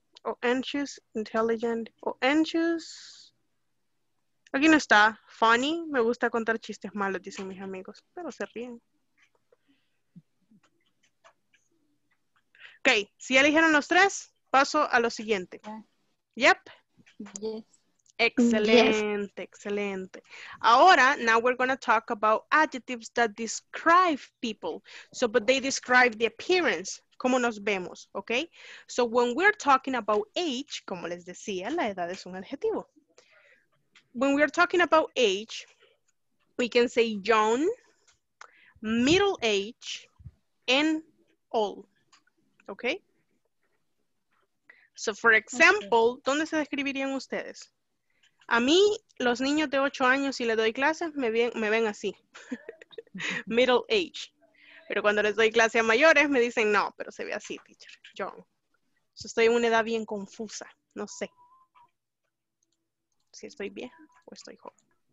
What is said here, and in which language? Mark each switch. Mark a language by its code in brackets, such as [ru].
[en] O anxious, intelligent, o anxious. [es] Aquí no está. [en] Funny. [es] Me gusta contar chistes malos, dicen mis amigos. Pero se ríen. Ok. Si ya eligieron los tres, paso a lo siguiente. [en] Yep. Yes. [es] Excelente, yes. Excelente. [en] Ahora, now we're going to talk about adjectives that describe people. So, but they describe the appearance, [es] cómo nos vemos, [en] okay? So, when we're talking about age, [es] como les decía, la edad es un adjetivo. [en] When we're talking about age, we can say young, middle age, and old, okay? So, for example, okay. [es] ¿Dónde se describirían ustedes? A mí, los niños de 8 años, si les doy clases, me ven así. [en] Middle age. [es] Pero cuando les doy clases a mayores, me dicen, no, pero se ve así, teacher. Yo estoy en una edad bien confusa. No sé si estoy bien o estoy joven.